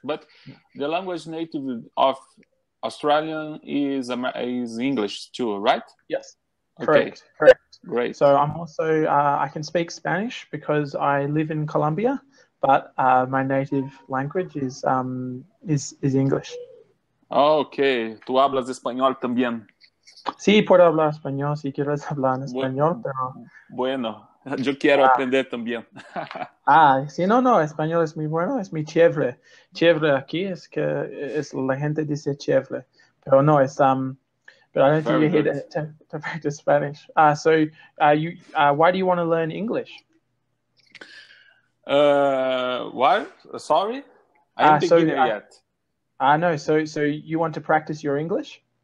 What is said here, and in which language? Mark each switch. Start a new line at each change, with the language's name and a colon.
English: But the language native of Australian is English too, right? Yes, correct. Okay. Correct. Great. So I'm also, I can speak Spanish because I live in Colombia, but my native language is English.
Spanish: Okay. ¿Tú hablas español también? Sí, puedo hablar español si quieres hablar en español, pero... Bueno, yo quiero aprender también. Ah, sí, no, español es muy bueno, es muy chévere. Chévere aquí es que es la gente dice chévere, pero no, es...
English: But I don't think you're here to practice Spanish. Why do you want to learn English? What? Sorry? I'm beginner yet. So you want to practice your English?